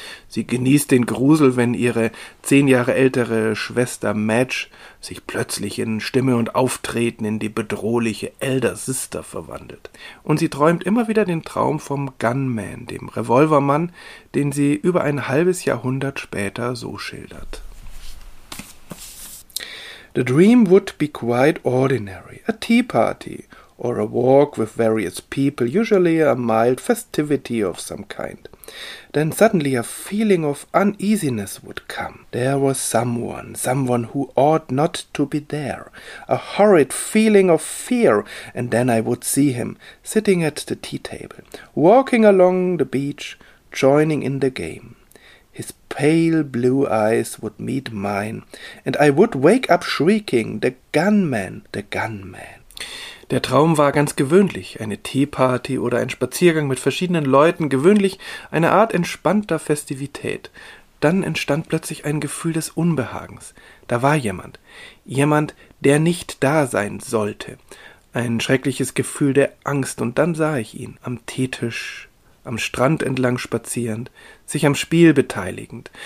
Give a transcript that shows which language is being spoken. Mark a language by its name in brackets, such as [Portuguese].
[German] Sie genießt den Grusel, wenn ihre 10 Jahre ältere Schwester Madge sich plötzlich in Stimme und Auftreten in die bedrohliche Elder Sister verwandelt. Und sie träumt immer wieder den Traum vom Gunman, dem Revolvermann, den sie über ein halbes Jahrhundert später so schildert. [English] The dream would be quite ordinary, a tea party, or a walk with various people, usually a mild festivity of some kind. Then suddenly a feeling of uneasiness would come. There was someone who ought not to be there. A horrid feeling of fear, and then I would see him, sitting at the tea table, walking along the beach, joining in the game. His pale blue eyes would meet mine, and I would wake up shrieking, the gunman, the gunman. [German] Der Traum war ganz gewöhnlich, eine Teeparty oder ein Spaziergang mit verschiedenen Leuten, gewöhnlich eine Art entspannter Festivität. Dann entstand plötzlich ein Gefühl des Unbehagens. Da war jemand. Jemand, der nicht da sein sollte. Ein schreckliches Gefühl der Angst, und dann sah ich ihn am Teetisch, am Strand entlang spazierend, sich am Spiel beteiligend.